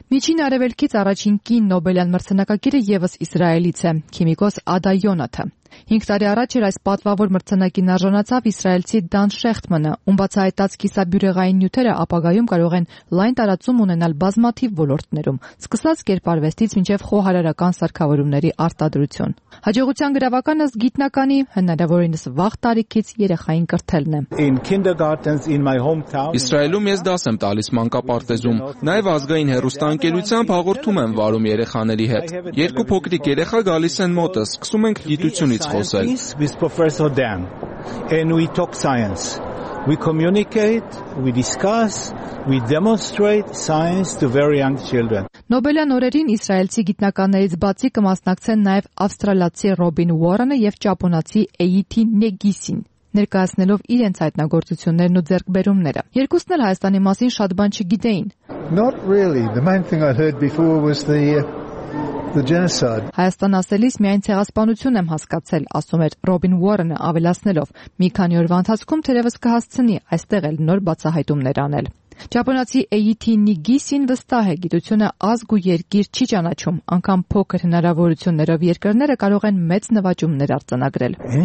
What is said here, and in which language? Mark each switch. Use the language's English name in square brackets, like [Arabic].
[Armenian] Միջին Արևելքից առաջին կին Նոբելյան մրցանակակիրը ևս Իսրայելից է՝ քիմիկոս Ադա Յոնաթը։ 5 տարի առաջ էր այս պատվավոր մրցանակին արժանացավ իսրայելցի Դան Շեխտմանը, ում բացահայտած կիսաբյուրեղային նյութերը ապագայում կարող են լայն տարածում ունենալ բազմաթիվ ոլորտներում, սկսած կերպարվեստից մինչև խոհարարական սարքավորումների արտադրություն։ Հաջողության գրավականը գիտնականի հնարավորինս վաղ տարիքից երեխային կրթելն է։ Իսրայելում ես դաս եմ տալիս մանկապարտեզում, նաև ազգային հեռուստաընկերությամբ հաղորդում եմ վարում երեխաների հետ։ Երկու փոքրիկ երեխա գալիս են մոտը, սկսում ենք գիտությունից խոսել։ [English] We communicate, we discuss, we demonstrate science to very young children. [Armenian] Նոբելյան օրերին իսրայելցի գիտնականներից բացի կմասնակցեն նաև ավստրալացի Ռոբին Ուորանը և ճապոնացի Էյիթի Նեգիսին, ներկայացնելով իրենց հայտնագործություններն ու ձեռքբերումները։ Երկուսն էլ Հայաստանի մասին շատ բան չգիտեին։ [English] Not really. The main thing I heard before was the genocide. [Armenian] Հայաստան ասելիս միայն ցեղասպանություն եմ հասկացել, ասում էր Ռոբին Ուորանը ավելացնելով. Մի քանի օրվա ընթացքում թերևս կհասցնի այստեղ էլ նոր բացահայտումներ անել։ Ճապոնացի Էյիթի Նիգիսին վստահ է, գիտությունը ազգ ու երկիր չի ճանաչում, անգամ փոքր հնարավորություններով երկրները կարող են մեծ նվաճումներ արձանագրել։